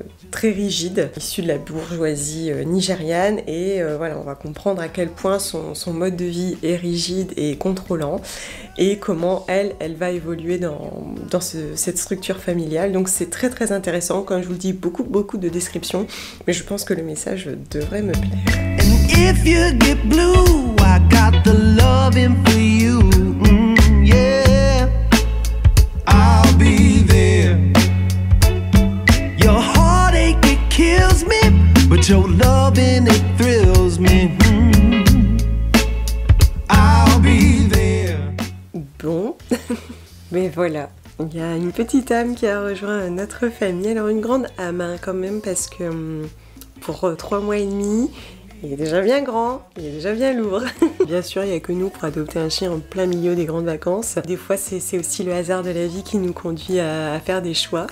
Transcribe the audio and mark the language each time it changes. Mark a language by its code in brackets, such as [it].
[fr] très rigide, issue de la bourgeoisie nigériane, et voilà, on va comprendre à quel point son mode de vie est rigide et contrôlant, et comment elle va évoluer dans cette structure familiale. Donc c'est très intéressant, comme je vous le dis, beaucoup de descriptions, mais je pense que le message devrait me plaire. [en] If you get blue, I got the loving for you, yeah, I'll be there. Your heartache, it kills me, but your loving, it thrills me, I'll be there. [fr] Bon, mais voilà. Il y a une petite âme qui a rejoint notre famille, alors une grande âme hein, quand même, parce que pour 3 mois et demi, il est déjà bien grand, il est déjà bien lourd. Bien sûr, il n'y a que nous pour adopter un chien en plein milieu des grandes vacances. Des fois, c'est aussi le hasard de la vie qui nous conduit à faire des choix.